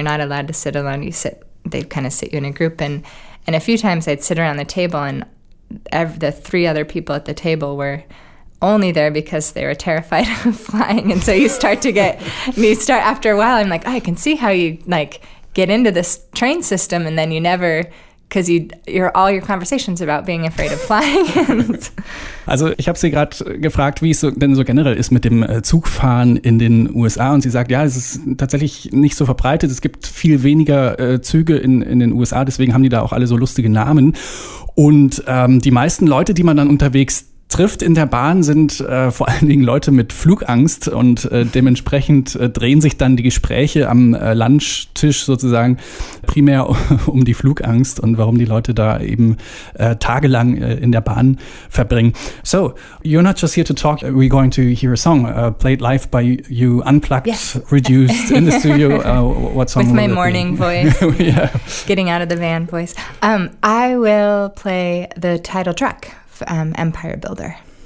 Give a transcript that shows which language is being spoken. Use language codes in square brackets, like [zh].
[en] You're not allowed to sit alone, they kind of sit you in a group, and a few times I'd sit around the table, and the 3 other people at the table were only there because they were terrified of flying, and so you start, after a while, I'm like, oh, I can see how you, like, get into this train system, and then you never, because you're all your conversations about being afraid of flying. [de] Also ich habe sie gerade gefragt, wie es denn so generell ist mit dem Zugfahren in den USA, und sie sagt, ja, es ist tatsächlich nicht so verbreitet, es gibt viel weniger Züge in den USA, deswegen haben die da auch alle so lustige Namen, und die meisten Leute, die man dann unterwegs trifft in der Bahn, sind vor allen Dingen Leute mit Flugangst, und dementsprechend drehen sich dann die Gespräche am Lunchtisch sozusagen primär um die Flugangst und warum die Leute da eben tagelang in der Bahn verbringen. [en] So, you're not just here to talk, we're going to hear a song played live by you, unplugged, yes. Reduced in the studio. What song? With my morning voice, getting out of the van voice. I will play the title track. Empire Builder.